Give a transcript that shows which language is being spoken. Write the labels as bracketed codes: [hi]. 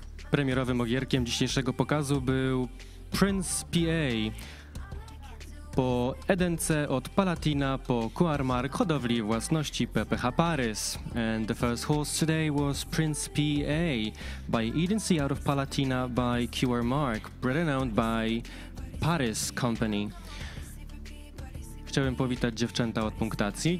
[pl] premierowym ogierkiem dzisiejszego pokazu był Prince PA. Po Edence od Palatina, po Quarmark, hodowli własności PPH Paris. [en] And the first horse today was Prince PA by Edency out of Palatina by Quarmark, renowned by Paris Company. [pl] Chciałbym powitać dziewczęta od punktacji.